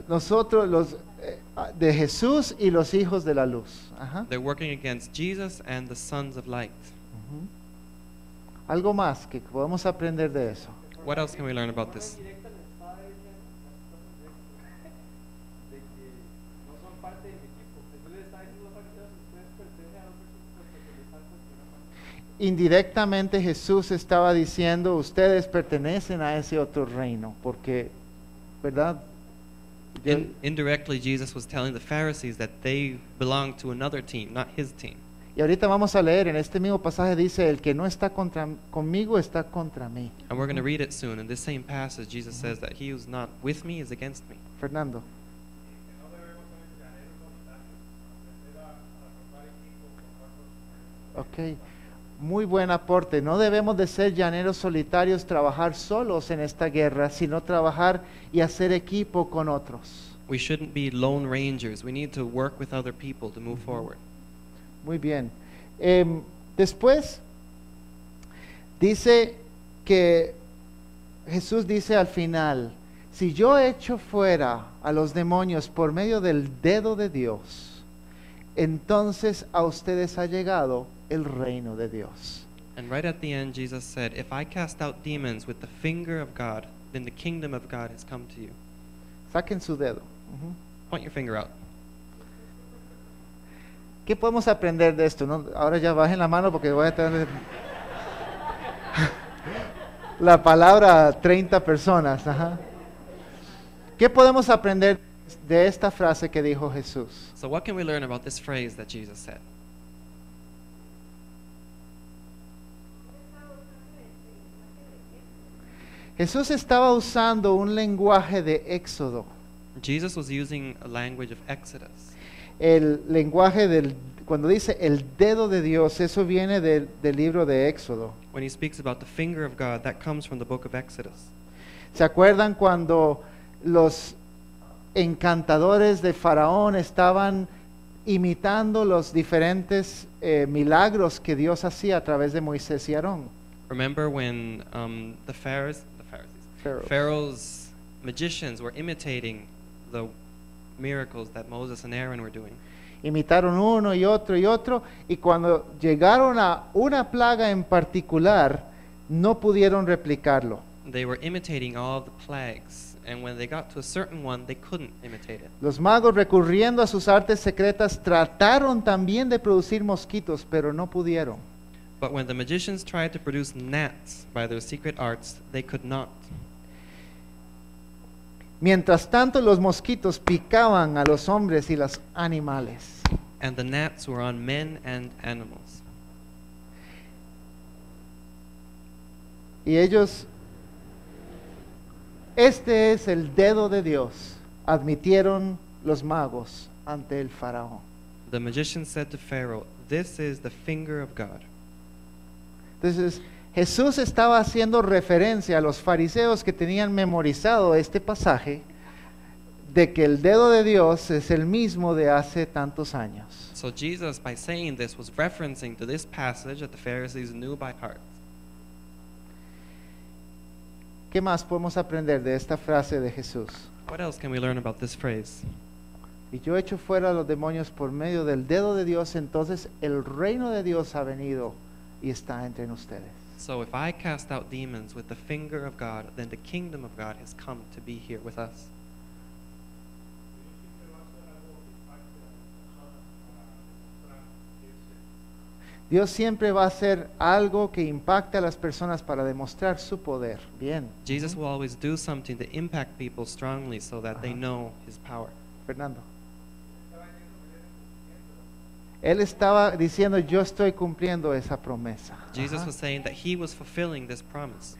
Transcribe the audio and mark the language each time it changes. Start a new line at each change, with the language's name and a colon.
Spanish: Nosotros los de Jesús y los hijos de la luz.
English: They're working against Jesus and the sons of light.
Spanish: Algo más que podemos aprender de eso.
English: What else can we learn about this?
Spanish: Indirectamente Jesús estaba diciendo ustedes pertenecen a ese otro reino porque, ¿verdad?
English: Indirectly Jesus was telling the Pharisees that they belong to another team, not his team.
Spanish: Y ahorita vamos a leer en este mismo pasaje dice el que no está contra conmigo está contra mí.
English: And we're going to read it soon. In this same passage Jesus says that he who's not with me is against me.
Spanish: Fernando. Okay. Muy buen aporte. No debemos de ser llaneros solitarios, trabajar solos en esta guerra, sino trabajar y hacer equipo con otros.
English: We shouldn't be lone rangers. We need to work with other people to move forward.
Spanish: Muy bien. Después, dice que Jesús dice al final, si yo echo fuera a los demonios por medio del dedo de Dios, entonces a ustedes ha llegado el reino de Dios.
English: And right at the end Jesus said, if I cast out demons with the finger of God, then the kingdom of God has come to you.
Spanish: Saquen su dedo.
English: Point your finger out.
Spanish: ¿Qué podemos aprender de esto? ¿No? Ahora ya bajen la mano porque voy a tener la palabra a 30 personas. ¿Qué podemos aprender de esta frase que dijo Jesús?
English: So what can we learn about this phrase that Jesus said?
Spanish: Jesús estaba usando un lenguaje de Éxodo.
English: Jesus was using a language of Exodus.
Spanish: El lenguaje del cuando dice el dedo de Dios, eso viene del libro de Éxodo.
English: When he speaks about the finger of God, that comes from the book of Exodus.
Spanish: ¿Se acuerdan cuando los encantadores de Faraón estaban imitando los diferentes milagros que Dios hacía a través de Moisés y Aarón?
English: Remember when Pharaoh's magicians were imitating the miracles that Moses and Aaron were doing.
Spanish: Imitaron uno y otro y otro, y cuando llegaron a una plaga en particular, no pudieron replicarlo.
English: They were imitating all the plagues, and when they got to a certain one, they couldn't imitate it.
Spanish: Los magos recurriendo a sus artes secretas trataron también de producir mosquitos, pero no pudieron.
English: But when the magicians tried to produce gnats by their secret arts, they could not.
Spanish: Mientras tanto, los mosquitos picaban a los hombres y los animales.
English: And the gnats were on men and animals.
Spanish: Y ellos, este es el dedo de Dios, admitieron los magos ante el faraón.
English: The magician said to Pharaoh, this is the finger of God.
Spanish: Entonces, Jesús estaba haciendo referencia a los fariseos que tenían memorizado este pasaje de que el dedo de Dios es el mismo de hace tantos años.
English: So Jesus, by saying this, was referencing to this passage that the Pharisees knew by heart.
Spanish: ¿Qué más podemos aprender de esta frase de Jesús?
English: What else can we learn about this phrase?
Spanish: Y yo echo fuera los demonios por medio del dedo de Dios, entonces el reino de Dios ha venido y está entre ustedes.
English: So if I cast out demons with the finger of God, then the kingdom of God has come to be here with us.
Spanish: Dios siempre va a hacer algo que impacte a las personas para demostrar su poder. Bien.
English: Jesus will always do something to impact people strongly so that they know his power.
Spanish: Fernando. Él estaba diciendo, yo estoy cumpliendo esa promesa.
English: Jesus was saying that he was fulfilling this promise.